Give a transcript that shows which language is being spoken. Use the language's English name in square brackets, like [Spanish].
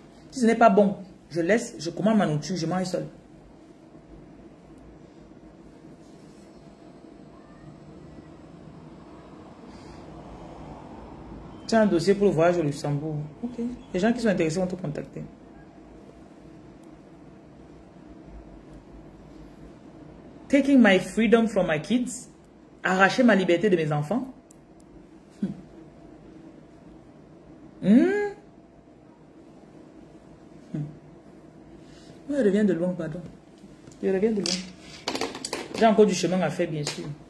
[French] Si ce n'est pas bon, je laisse, je commande ma nourriture, je mange seul. Tiens, un dossier pour le voyage au Luxembourg. Ok. Les gens qui sont intéressés vont te contacter. [English] Taking my freedom from my kids. [French] Arracher ma liberté de mes enfants. Je reviens de loin, pardon. Je reviens de loin. J'ai encore du chemin à faire, bien sûr.